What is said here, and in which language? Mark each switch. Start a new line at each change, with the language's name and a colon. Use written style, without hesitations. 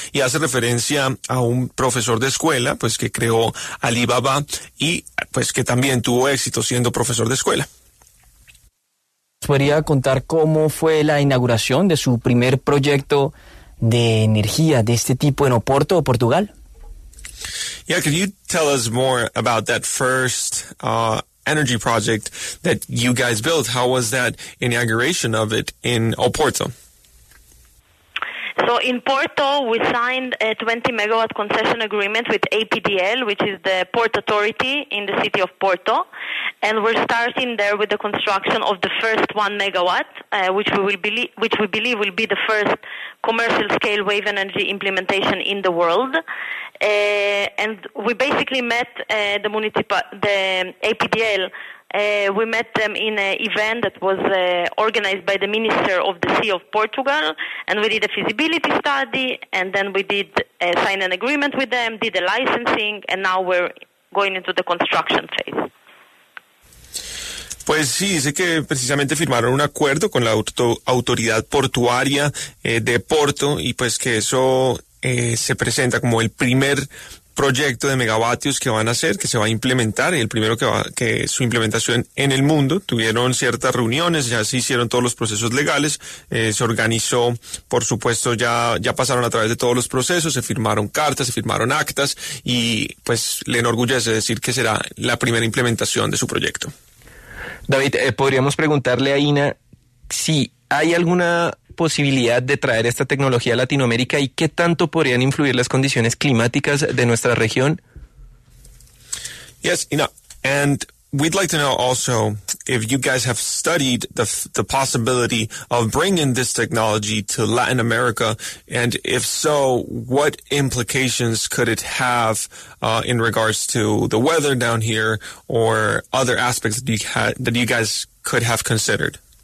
Spanish: Y hace referencia a un profesor de escuela, pues que creó Alibaba y pues que también tuvo éxito siendo profesor de escuela. ¿Podría contar cómo fue la inauguración de su primer proyecto de energía de este tipo en Oporto, Portugal?
English: Yeah, could you tell us more about that first energy project that you guys built? How was that inauguration of it in Oporto? So in Porto, we signed a 20-megawatt concession agreement with APDL, which is the port authority in the city of Porto. And we're starting there with the construction of the first 1 megawatt, which we believe will be the first commercial-scale wave energy implementation in the world. And we basically met the APDL. We met them in an event that was organized by the Minister of the Sea of Portugal, and we did a feasibility study, and then we did sign an agreement with them, did the licensing, and now we're going into the construction phase.
Spanish: Pues sí, dice que precisamente firmaron un acuerdo con la autoridad portuaria de Porto, y pues que eso se presenta como el primer proyecto de megavatios que van a hacer, que se va a implementar, y el primero que su implementación en el mundo. Tuvieron ciertas reuniones, ya se hicieron todos los procesos legales, se organizó, por supuesto, ya pasaron a través de todos los procesos, se firmaron cartas, se firmaron actas, y pues le enorgullece decir que será la primera implementación de su proyecto. David, podríamos preguntarle a Ina si hay alguna posibilidad de traer esta tecnología a Latinoamérica y qué tanto podrían influir las condiciones climáticas de nuestra región.
English: Yes, Ina, and We'd like to know also if you guys have studied the possibility of bringing this technology to Latin America, and if so, what implications could it have in regards to the weather down here or other aspects that you guys could have considered?